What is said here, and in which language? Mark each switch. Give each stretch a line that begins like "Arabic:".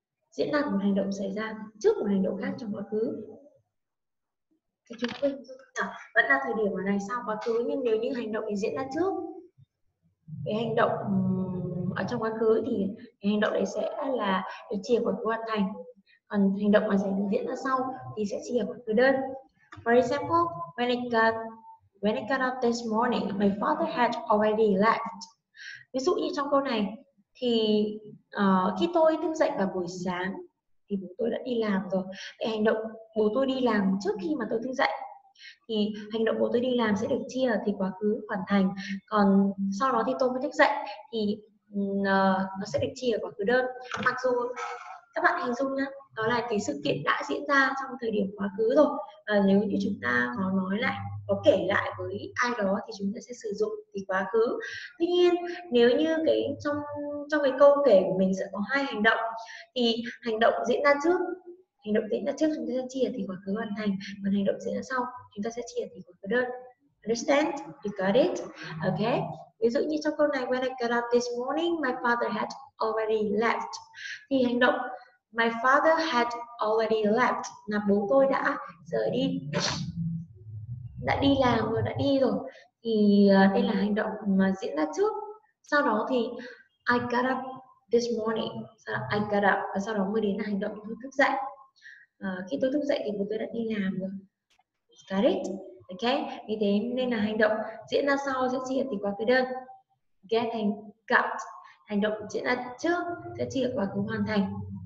Vietnamese: Diễn đạt một hành động xảy ra trước một hành động khác trong quá khứ. Thì chúng ta vẫn là thời điểm ở này sau quá khứ, nhưng nếu như hành động thì diễn ra trước cái hành động ở trong quá khứ thì cái hành động đấy sẽ là được chia quá khứ hoàn thành. Còn hành động mà sẽ diễn ra sau thì sẽ chia quá khứ đơn.
English: For example, when I got up this morning, my father had already left.
Vietnamese: Ví dụ như trong câu này thì khi tôi thức dậy vào buổi sáng thì bố tôi đã đi làm rồi. Cái hành động bố tôi đi làm trước khi mà tôi thức dậy thì hành động bố tôi đi làm sẽ được chia thì quá khứ hoàn thành. Còn sau đó thì tôi mới thức dậy thì nó sẽ được chia quá khứ đơn. Mặc dù các bạn hình dung nhá, đó là cái sự kiện đã diễn ra trong thời điểm quá khứ rồi. Nếu như chúng ta có nói lại, có kể lại với ai đó thì chúng ta sẽ sử dụng thì quá khứ. Tuy nhiên, nếu như cái trong cái câu kể của mình sẽ có hai hành động thì hành động diễn ra trước chúng ta sẽ chia thì quá khứ hoàn thành, còn hành động diễn ra sau chúng ta sẽ chia thì quá khứ đơn.
English: Understand? You got it? Okay.
Vietnamese: Ví dụ như trong câu này,
English: when I got up this morning, my father had already left.
Vietnamese: Thì hành động
English: my father had already left
Vietnamese: là bố tôi đã rời đi, đã đi làm rồi, đã đi rồi. Thì đây là hành động mà diễn ra trước. Sau đó thì
English: I got up this morning. I got up
Vietnamese: và sau đó mới đến là hành động tôi thức dậy. Khi tôi thức dậy thì bố tôi đã đi làm rồi.
English: Got it?
Vietnamese: Ok, vì thế nên là hành động diễn ra sau sẽ chia thì quá khứ đơn. Get and got. Hành động diễn ra trước sẽ chia quá khứ hoàn thành.